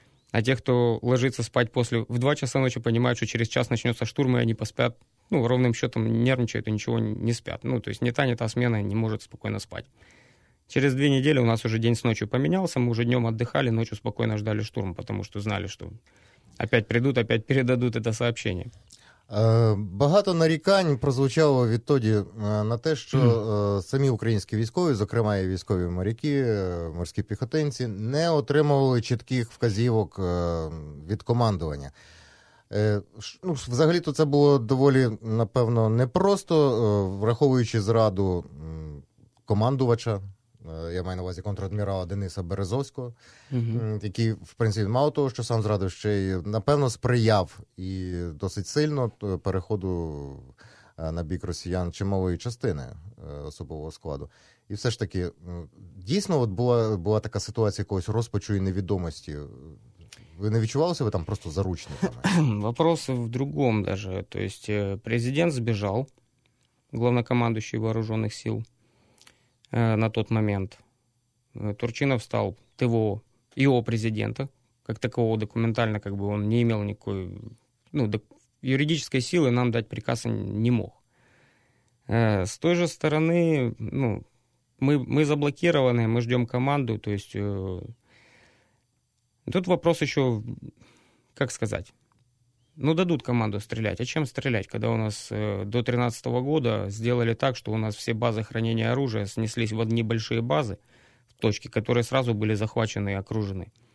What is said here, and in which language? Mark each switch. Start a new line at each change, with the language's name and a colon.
Russian: А те, кто ложится спать после в 2 часа ночи, понимают, что через час начнется штурм, и они поспят, ну, ровным счетом нервничают и ничего не спят. Ну, то есть ни та смена не может спокойно спать. Через 2 недели у нас уже день с ночью поменялся, мы уже днем отдыхали, ночью спокойно ждали штурм, потому что знали, что опять придут, опять передадут это сообщение.
Ukrainian: Багато нарікань прозвучало відтоді на те, що самі українські військові, зокрема і військові моряки, морські піхотинці, не отримували чітких вказівок від командування. Ну, взагалі-то це було доволі, напевно, непросто, враховуючи зраду командувача, я маю на увазі контр-адмірала Дениса Березовського, який, в принципі, мало того, що сам зрадив, ще й, напевно, сприяв і досить сильно переходу на бік росіян чималої частини особового складу. І все ж таки, дійсно, от була така ситуація якогось розпачу і невідомості. Ви не відчувалися ви там просто заручниками? Вопрос в другому, навіть. Тобто президент збіжав, головнокомандуючий вооружених сил,
Russian: на тот момент. Турчинов стал ТВО ИО президента, как такового документально, как бы он не имел никакой, ну, юридической силы нам дать приказ не мог. С той же стороны, ну, мы заблокированы, мы ждем команду, то есть тут вопрос еще, как сказать, ну, дадут команду стрелять, а чем стрелять, когда у нас до 2013 года сделали так, что у нас все базы хранения оружия снеслись в одни большие базы, в точки, которые сразу были захвачены и окружены.